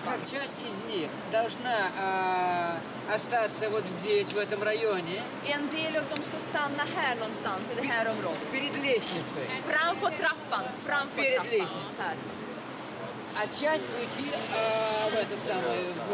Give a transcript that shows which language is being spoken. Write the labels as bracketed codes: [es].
[ru] Часть из них должна остаться вот здесь, в этом районе. [sv] En del av dem ska stanna här någonstans i det här området. [ru] Перед лестницей. [sv] Framför trappan. [ru] Перед лестницей. А часть уйти в этот самый...